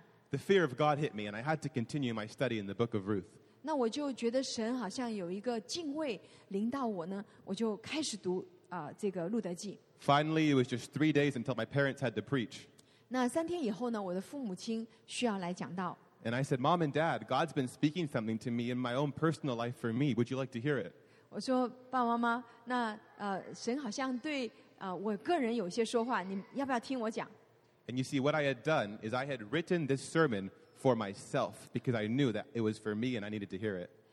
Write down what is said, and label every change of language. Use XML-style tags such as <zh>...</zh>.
<en>The fear of God hit me and I had to continue my study in the book of Ruth.</en> <zh>那我就觉得神好像有一个敬畏领导我呢我就开始读这个路德记。</zh> <en>Finally, it was just 3 days until my parents had to preach.</en> <zh>那3天以后呢,我的父母亲需要来讲道。</zh> <en>And I said, Mom and Dad, God's been speaking something to me in my own personal life for me. Would you like to hear it?</en> <zh>我说,爸爸妈妈,那神好像对我个人有些说话,你要不要听我讲?</zh> <en>And you see, what I had done is I had written this sermon for myself because I knew that it was for me and I needed to hear it.</en>